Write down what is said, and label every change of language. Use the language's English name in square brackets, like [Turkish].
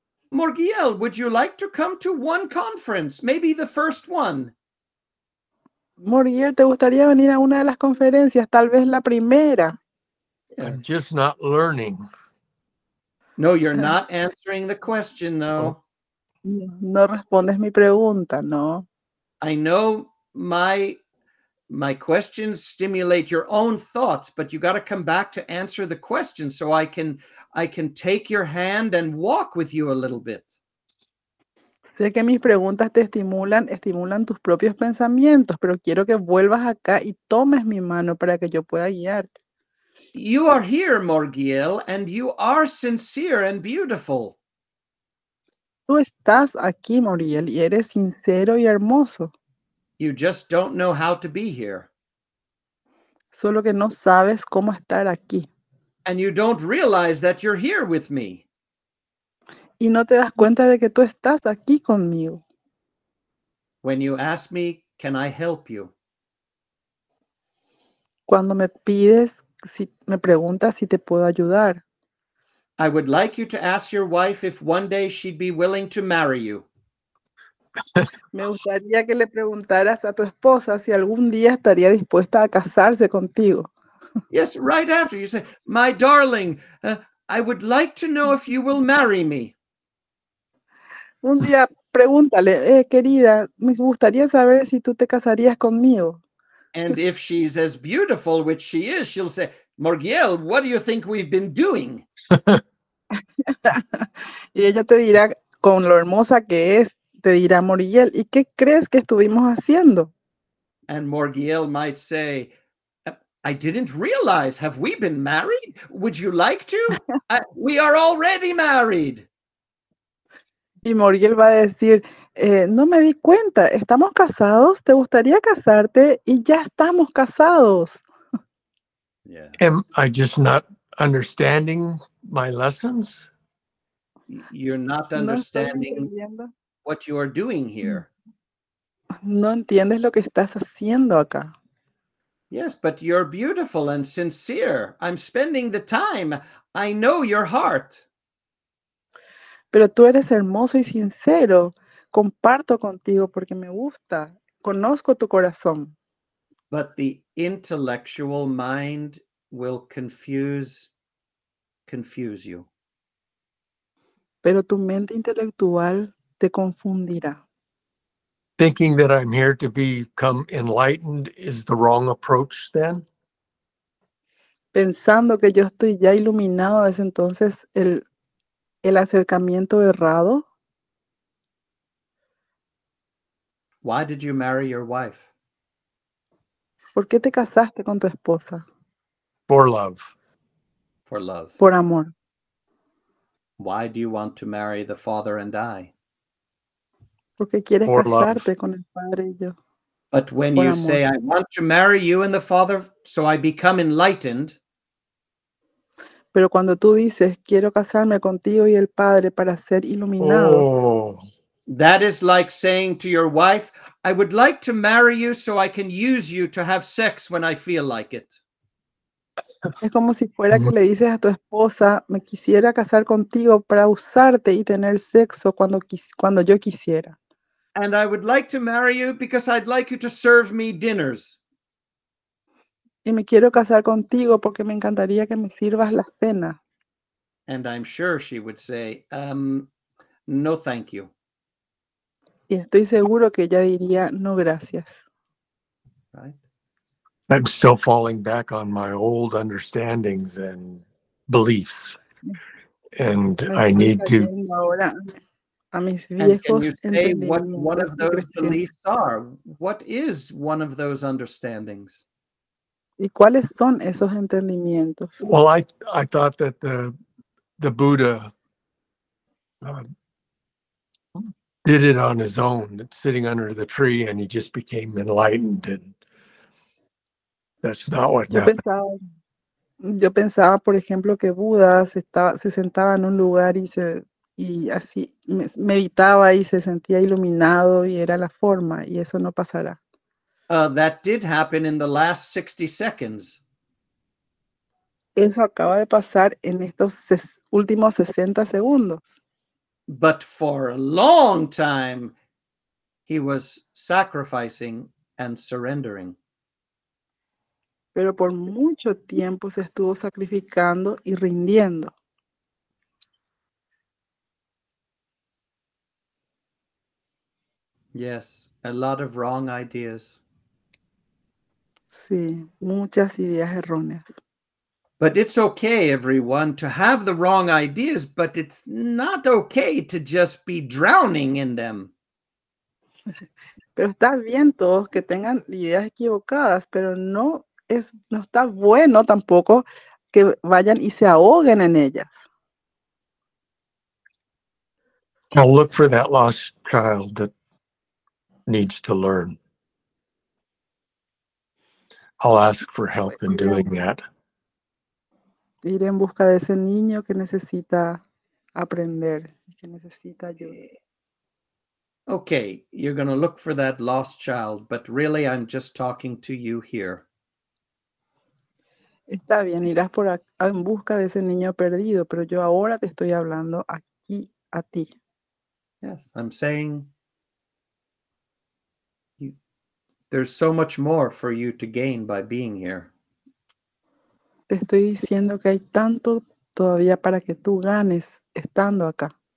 [English] Morgiel, would you like to come to one conference? Maybe the first one. [Spanish] Morgiel, ¿te gustaría venir a una de las conferencias? Tal vez la primera. [English] I'm just not learning. No, you're not answering the question, though. [Spanish] No respondes mi pregunta, no. [English] I know my questions stimulate your own thoughts, but you got to come back to answer the question so I can take your hand and walk with you a little bit. [Spanish] Sé que mis preguntas te estimulan tus propios pensamientos, pero quiero que vuelvas acá y tomes mi mano para que yo pueda guiarte. [English] You are here, Morgiel, and you are sincere and beautiful. [Spanish] Tú estás aquí, Morgiel, y eres sincero y hermoso. [English] You just don't know how to be here. [Spanish] Solo que no sabes cómo estar aquí. [English] And you don't realize that you're here with me. [Spanish] Y no te das cuenta de que tú estás aquí conmigo. [English] When you ask me, can I help you? [Spanish] Cuando me pides, si me preguntas si te puedo ayudar. [English] I would like you to ask your wife if one day she'd be willing to marry you. [Spanish] Me gustaría que le preguntaras a tu esposa si algún día estaría dispuesta a casarse contigo. [English] Yes, right after you say, my darling, I would like to know if you will marry me. [Spanish] Un día pregúntale, querida, me gustaría saber si tú te casarías conmigo. [English] And if she's as beautiful, which she is, she'll say, Morgiel, what do you think we've been doing? [Spanish] Y ella te dirá, con lo hermosa que es, te dirá Morgiel, ¿y qué crees que estuvimos haciendo? [English] And Morgiel might say, I didn't realize, have we been married? Would you like to? We are already married. [Spanish] Y Morgiel va a decir, no me di cuenta, estamos casados, te gustaría casarte y ya estamos casados. [English] Yeah. Am I just not understanding my lessons? You're not understanding what you are doing here. [Spanish] No entiendes lo que estás haciendo acá. [English] Yes, but you're beautiful and sincere. I'm spending the time. I know your heart. [Spanish] Pero tú eres hermoso y sincero. Comparto contigo porque me gusta. Conozco tu corazón. [English] But the intellectual mind will confuse you. [Spanish] Pero tu mente intelectual te confundirá. [English] Thinking that I'm here to become enlightened is the wrong approach then? [Spanish] Pensando que yo estoy ya iluminado es entonces el acercamiento errado. [English] Why did you marry your wife? [Spanish] ¿Por qué te casaste con tu esposa? [English] For love. For love. [Spanish] Por amor. [English] Why do you want to marry the father and I? [Spanish] Porque quieres [English] for [Spanish] casarte [English] love. [Spanish] Con el padre y yo. [English] But when [Spanish] por [English] you [Spanish] amor. [English] Say I want to marry you and the father so I become enlightened. [Spanish] Pero cuando tú dices quiero casarme contigo y el padre para ser iluminado. Oh. [English] That is like saying to your wife, I would like to marry you so I can use you to have sex when I feel like it. [Spanish] Es como si fuera que le dices a tu esposa, me quisiera casar contigo para usarte y tener sexo cuando yo quisiera. [English] And I would like to marry you because I'd like you to serve me dinners. [Spanish] Y me quiero casar contigo porque me encantaría que me sirvas la cena. [English] And I'm sure she would say, no thank you. [Spanish] Y estoy seguro que ella diría, no gracias. [English] Right. I'm still falling back on my old understandings and beliefs. And I need to... [Spanish] Ahora a mis viejos [English] and can you say what of those beliefs are? What is one of those understandings? [Spanish] ¿Y cuáles son esos entendimientos? [English] Well, I thought that the Buddha did it on his own, sitting under the tree, and he just became enlightened. And that's not what happened. [Spanish] Yo pensaba, por ejemplo, que Buda se sentaba en un lugar y así meditaba y se sentía iluminado y era la forma, y eso no pasará. [English] That did happen in the last 60 seconds. [Spanish] Eso acaba de pasar en estos últimos 60 segundos. [English] But for a long time, he was sacrificing and surrendering. [Spanish] Pero por mucho tiempo se estuvo sacrificando y rindiendo. [English] Yes, a lot of wrong ideas. [Spanish] Sí, muchas ideas erróneas. [English] But it's okay, everyone, to have the wrong ideas, but it's not okay to just be drowning in them. [Spanish] Pero está bien todos que tengan ideas equivocadas, pero no está bueno tampoco que vayan y se ahoguen en ellas. [English] I'll look for that lost child that needs to learn. I'll ask for help in doing that. [Spanish] Ir en busca de ese niño que necesita aprender, que necesita ayuda. [English] Okay, you're going to look for that lost child, but really I'm just talking to you here. [Spanish] Está bien, irás en busca de ese niño perdido, pero yo ahora te estoy hablando aquí a ti. [English] Yes, I'm saying there's so much more for you to gain by being here. [Spanish] Te estoy diciendo que hay tanto todavía para que tú ganes estando acá.